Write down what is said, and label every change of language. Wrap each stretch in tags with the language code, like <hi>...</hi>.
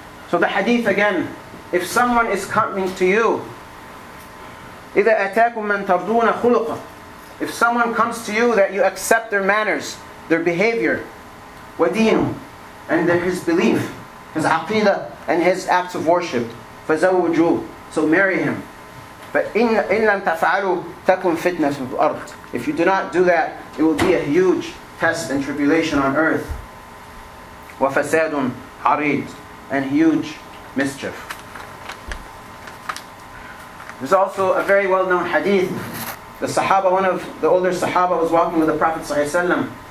<en>So the hadith again, if someone is coming to you,</en> <ar>إذا أتاكم من ترضون خلقا,</ar> <en>if someone comes to you that you accept their manners, their behavior, ودين, and his belief, his aqidah, and his acts of worship,</en> <ar>فزوجوا.</ar> <en>So marry him.</en> <ar>But إن لم تفعلوا تكون فتنة في الأرض.</ar> <en>If you do not do that, it will be a huge test and tribulation on earth.</en> <ar>وفساد عريض.</ar> <en>And huge mischief. There's also a very well-known hadith. The Sahaba, one of the older Sahaba, was walking with the Prophet ﷺ.</en>